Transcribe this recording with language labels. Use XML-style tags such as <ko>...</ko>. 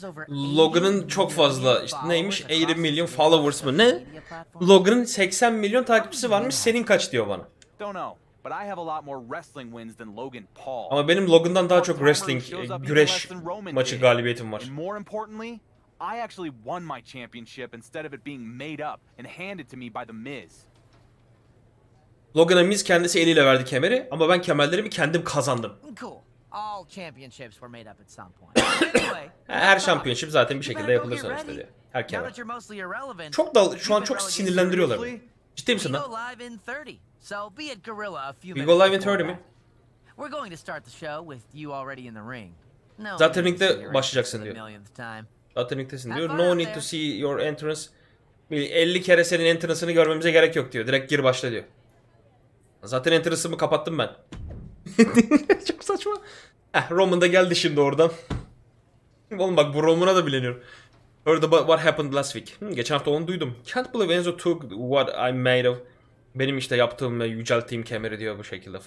<tr>Logan'ın çok fazla, işte neymiş, 80 milyon followers mı? Ne? Logan'ın 80 milyon takipçisi varmış, senin kaç diyor bana.</tr> <en>But I have a lot more wrestling wins than Logan Paul.</en> <tr>Ama benim Logan'dan daha çok wrestling, güreş maçı galibiyetim var.</tr> <en>More importantly, I actually won my championship instead of it being made up and handed to me by the Miz.</en> <tr>Logan'a Miz kendisi eliyle verdi kemeri ama ben kemerlerimi kendim kazandım.</tr> <en>All championships were made up at some point. Anyway,</en> <tr>her şampiyonship zaten bir şekilde yapılır sonuçta diyor. Her kemer. Çok da şu an çok sinirlendiriyorlar beni. Ciddi misin lan?</tr> <en>So be it gorilla a few minutes. We go live in 30 minutes. We're going to start the show with you already in the ring.</en> <tr>No. Zaten ringde başlayacaksın diyor. Zaten ringdesin diyor.</tr> <en>No need to see your entrance.</en> <tr>50 kere senin entrance'ını görmemize gerek yok diyor. Direkt gir başla diyor. Zaten entrance'ımı kapattım ben. Çok saçma. Heh, Roman da geldi şimdi oradan. Oğlum bak, bu Roman'a da bileniyorum.</tr> <en>Heard about what happened last week.</en> <tr>Geçen hafta onu duydum.</tr> <en>Can't believe Enzo took what I made of.</en> <tr>Benim işte yaptığım ve yücelttiğim kemeri diyor bu şekilde.</tr>